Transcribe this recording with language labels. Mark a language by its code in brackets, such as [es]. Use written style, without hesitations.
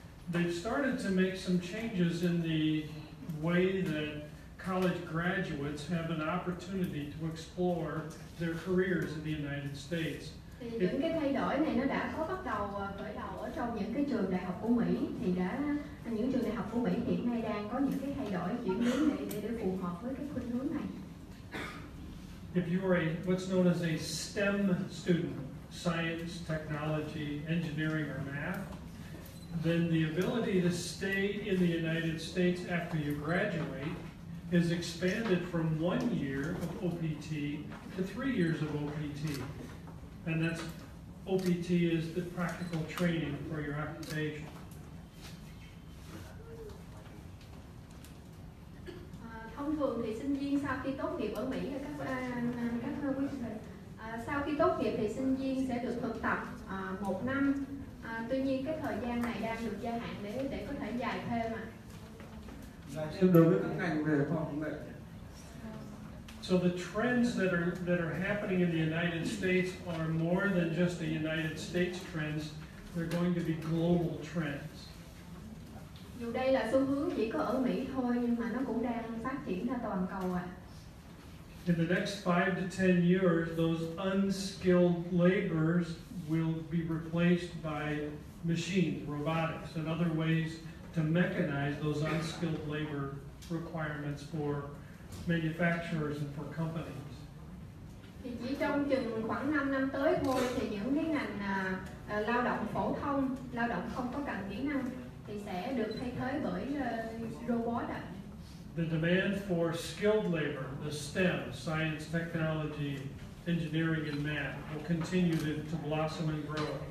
[en] they've started to make some changes in the way that college graduates have an opportunity to explore their careers in the United States. [vi] Thì những cái thay đổi này nó đã có bắt đầu khởi đầu ở trong những cái trường đại học của Mỹ, thì đã những trường đại học của Mỹ hiện nay đang có những cái thay đổi chuyển hướng này để phù hợp với cái khuynh hướng này. [en] If you are a what's known as a STEM student, science, technology, engineering, or math, then the ability to stay in the United States after you graduate is expanded from 1 year of OPT to 3 years of OPT. And that's OPT is the practical training for your occupation. [vi] Thông thường thì sinh viên sau khi tốt nghiệp ở Mỹ, các quý vị, sau khi tốt nghiệp thì sinh viên sẽ được thực tập một năm. Tuy nhiên cái thời gian này đang được gia hạn để có thể dài thêm ạ. Đối với các ngành về khoa học công nghệ. [en] So the trends that are happening in the United States are more than just the United States trends. They're going to be global trends. [vi] Dù đây là xu hướng chỉ có ở Mỹ thôi, nhưng mà nó cũng đang phát triển ra toàn cầu à. [en] In the next 5 to 10 years, those unskilled laborers will be replaced by machines, robotics, and other ways to mechanize those unskilled labor requirements for manufacturers and for companies. [vi] Thì chỉ trong chừng khoảng 5 năm tới thôi thì những cái ngành lao động phổ thông, lao động không có cần kỹ năng thì sẽ được thay thế bởi robot ạ. [en] The demand for skilled labor, the STEM, science, technology, engineering and math will continue to blossom and grow.